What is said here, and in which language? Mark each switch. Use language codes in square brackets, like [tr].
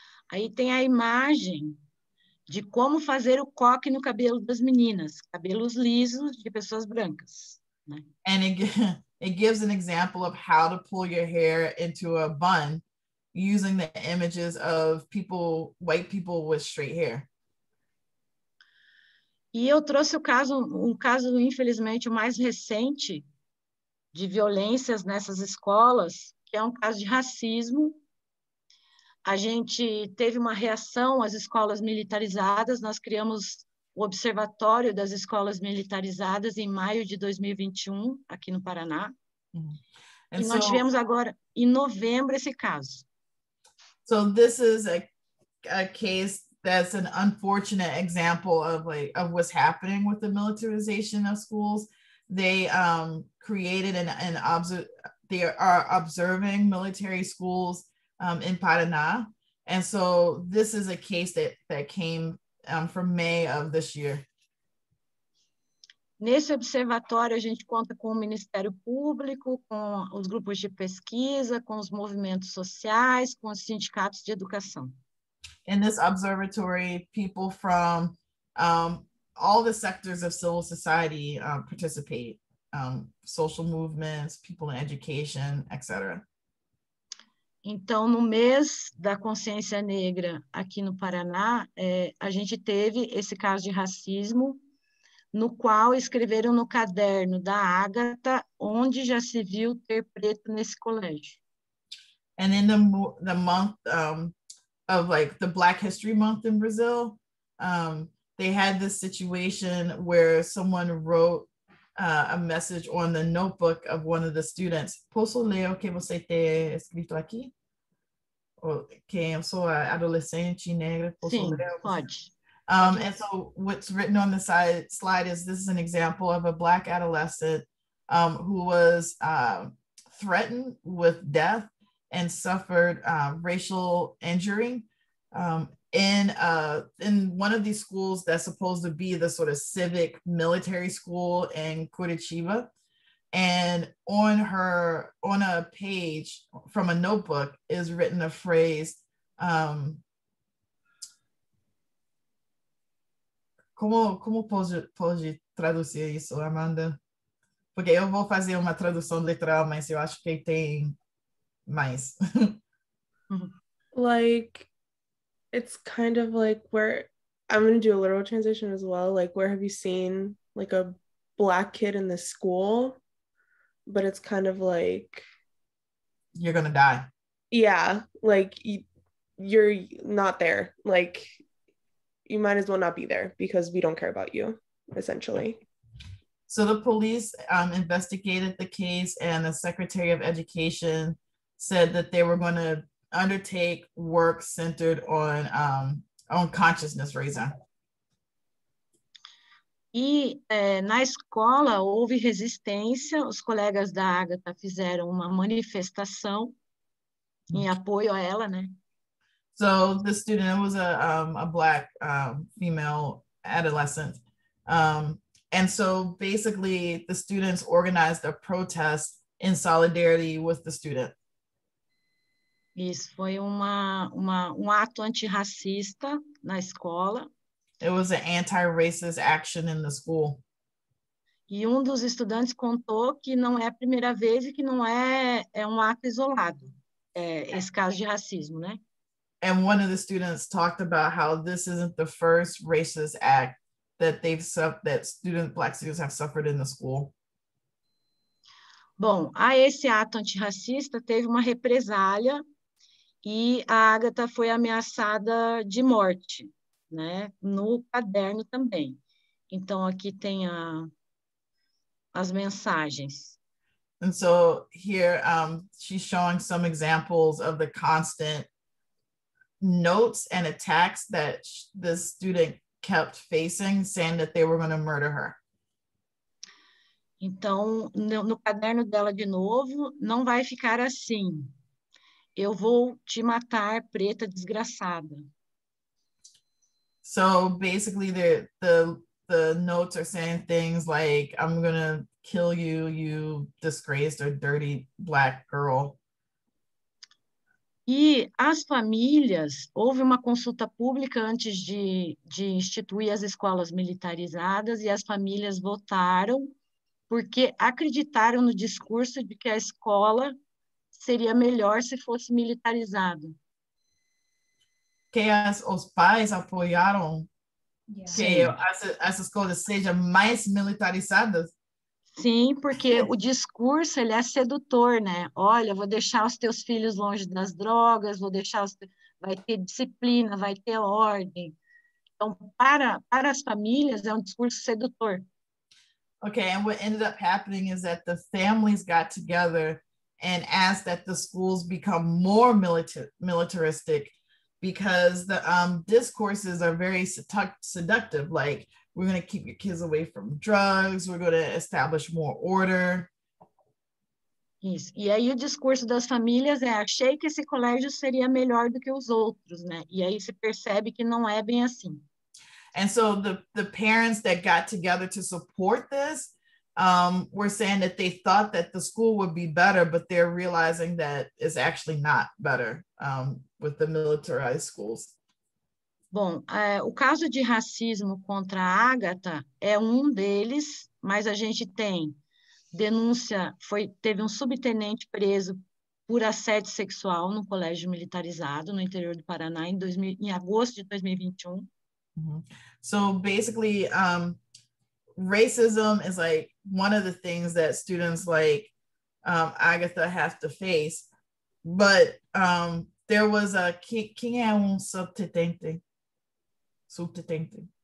[pt] Aí tem a imagem de como fazer o coque no cabelo das meninas, cabelos lisos de pessoas brancas. [en] And it gives an example of how to pull your hair into a bun using the images of white people with straight hair. [pt] E eu trouxe um caso, infelizmente, o mais recente de violências nessas escolas, que é um caso de racismo. A gente teve uma reação às escolas militarizadas, nós criamos o Observatório das Escolas Militarizadas em maio de 2021, aqui no Paraná. [en] And [pt] nós tivemos agora, em novembro, esse caso. [en] So this is a case that's an unfortunate example of what's happening with the militarization of schools. They created they are observing military schools in Paraná. And so this is a case that came from May of this year. [pt] Nesse observatório, a gente conta com o Ministério Público, com os grupos de pesquisa, com os movimentos sociais, com os sindicatos de educação. [en] In this observatory, people from all the sectors of civil society participate, social movements, people in education, etc. [pt] Então, no mês da consciência negra aqui no Paraná, a gente teve esse caso de racismo, no qual escreveram no caderno da Ágata onde já se viu ter preto nesse colégio. [en] And in the month of like the Black History Month in Brazil, they had this situation where someone wrote a message on the notebook of one of the students. [pt] Posso ler o que você tem escrito aqui? Que eu sou adolescente negra. Sim, pode. [en] And so what's written on the slide is this is an example of a Black adolescent who was threatened with death and suffered racial injury in one of these schools that's supposed to be the sort of civic military school in Curitiba. And on her, on a page from a notebook is written a phrase, [pt] como pode traduzir isso, Amanda? Porque eu vou fazer uma tradução literal, mas eu acho que tem mais. [en] Like, it's kind of like where, I'm going to do a literal translation as well. Like, where have you seen like a black kid in the school? But it's kind of like, you're going to die. Yeah. Like, you're not there. Like, you might as well not be there because we don't care about you, essentially. So the police investigated the case, and the Secretary of Education said that they were going to undertake work centered on consciousness raising. [pt] E na escola houve resistência, os colegas da Agatha fizeram uma manifestação em apoio a ela, né? [en] So the student was a black female adolescent. And so basically the students organized a protest in solidarity with the student. [pt] Isso foi um ato antirracista na escola. [en] It was an anti-racist action in the school. [pt] E dos estudantes contou que não é a primeira vez e que não é um ato isolado, esse caso de racismo, né? [en] And one of the students talked about how this isn't the first racist act that they've that student black students have suffered in the school. [pt] Bom, a esse ato antirracista teve uma represália e a Agatha foi ameaçada de morte. Né, no caderno também. Então aqui tem as mensagens. [en] And so here she's showing some examples of the constant notes and attacks that the student kept facing, saying that they were going to murder her. [pt] Então no caderno dela de novo, não vai ficar assim. Eu vou te matar, preta desgraçada. [en] So basically the notes are saying things like, I'm gonna kill you, you disgraced or dirty black girl. [pt] E as famílias, houve uma consulta pública antes de instituir as escolas militarizadas e as famílias votaram porque acreditaram no discurso de que a escola seria melhor se fosse militarizada. Que os pais apoiaram essas coisas sejam mais militarizadas? Sim, porque o discurso ele é sedutor, né? Olha, vou deixar os teus filhos longe das drogas, vou deixar os... vai ter disciplina, vai ter ordem. Então, para as famílias, é um discurso sedutor. [en] Ok, and what ended up happening is that the families got together and asked that the schools become more militaristic. Because the discourses are very seductive, like we're going to keep your kids away from drugs, we're going to establish more order. [pt] Isso. E aí o discurso das famílias é, achei que esse colégio seria melhor do que os outros, né? E aí se percebe que não é bem assim. [en] And so the parents that got together to support this were saying that they thought that the school would be better, but they're realizing that it's actually not better. With the militarized schools. [pt] Bom, o caso de racismo contra a Agatha é um deles, mas a gente tem denúncia, teve um subtenente preso por assédio sexual no colégio militarizado no interior do Paraná em agosto de 2021. Mm-hmm. [en] So basically, racism is like one of the things that students like Agatha have to face, but there was a, [pt] quem é subtenente? Subtenente.